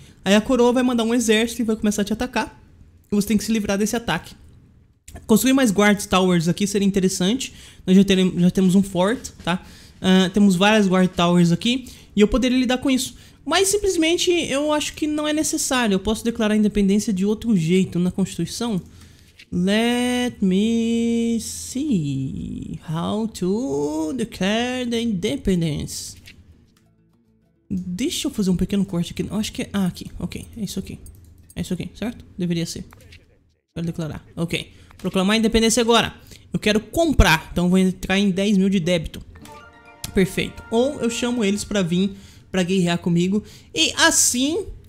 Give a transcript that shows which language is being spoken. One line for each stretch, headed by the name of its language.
Portuguese: Aí a coroa vai mandar um exército e vai começar a te atacar. E você tem que se livrar desse ataque. Construir mais guard towers aqui seria interessante. Nós já temos um fort, tá? Temos várias guard towers aqui. E eu poderia lidar com isso. Mas simplesmente eu acho que não é necessário. Eu posso declarar independência de outro jeito na Constituição.
English: Let me see how to declare the independence.
Portuguese: Deixa eu fazer um pequeno corte aqui. Eu acho que é... Ah, aqui. Ok. É isso aqui. Certo? Deveria ser. Quero declarar. Ok. Proclamar a independência agora. Eu quero comprar. Então vou entrar em 10 mil de débito. Perfeito. Ou eu chamo eles pra vir pra guerrear comigo. E assim...